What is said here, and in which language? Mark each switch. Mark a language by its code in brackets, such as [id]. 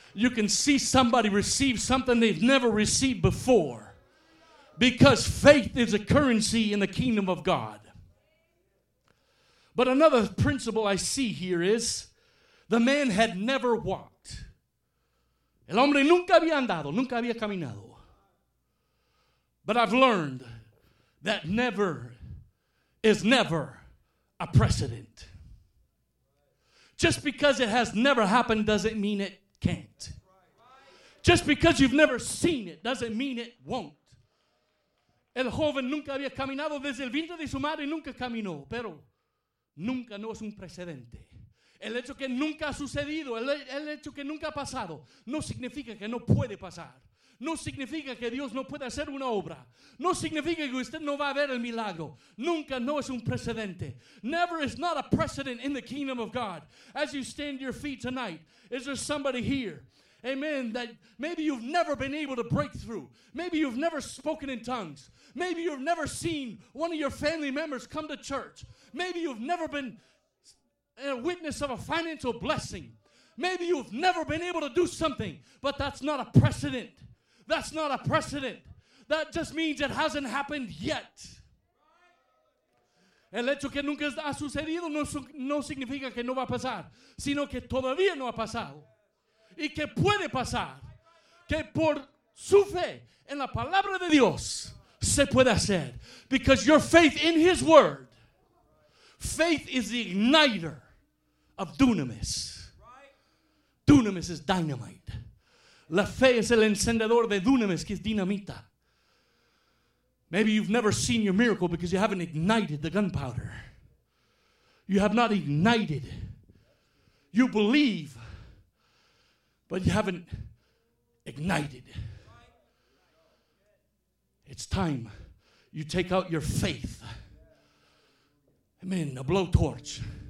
[en] You can see somebody receive something they've never received before. Because faith is a currency in the kingdom of God. But another principle I see here is the man had never walked. [es] El hombre nunca había andado, nunca había caminado. [en] But I've learned that never is never a precedent. Just because it has never happened doesn't mean it can't. Just because you've never seen it doesn't mean it won't. [es] El joven nunca había caminado desde el vientre de su madre, nunca caminó, pero nunca no es un precedente. El hecho que nunca ha sucedido, el hecho que nunca ha pasado, no significa que no puede pasar. No significa que Dios no puede hacer una obra. No significa que usted no va a ver el milagro. Nunca no es un precedente. [en] Never is not a precedent in the kingdom of God. As you stand your feet tonight, is there somebody here? Amen. That maybe you've never been able to break through. Maybe you've never spoken in tongues. Maybe you've never seen one of your family members come to church. Maybe you've never been a witness of a financial blessing. Maybe you've never been able to do something, but that's not a precedent. That's not a precedent. That just means it hasn't happened yet. [es] El hecho que nunca ha sucedido no significa que no va a pasar, sino que todavía no ha pasado. Y que puede pasar. Que por su fe en la palabra de Dios se puede hacer. [en] Because your faith in his word, faith is the igniter of dunamis. Dunamis is dynamite. [es] La fe es el encendedor de dunamis, que es dinamita. [en] Maybe you've never seen your miracle because you haven't ignited the gunpowder. You have not ignited. You believe, but you haven't ignited. It's time you take out your faith. Amen. A blowtorch.